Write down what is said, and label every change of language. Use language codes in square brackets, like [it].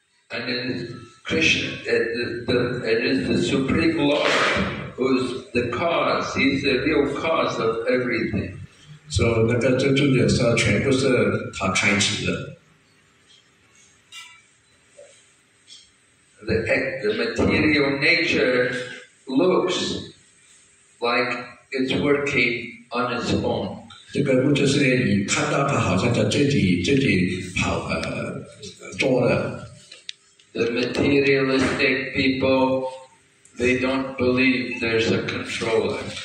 [en] And in Krishna, it is the Supreme Lord who is the cause, he's the real cause of everything. [zh] 所以那个真主也是全部是他开始的。 [en] The material nature looks like it's working on its own. [zh] 这个物质世界你看到它好像在自己跑做的。 [en] The materialistic people, they don't believe there's a controller.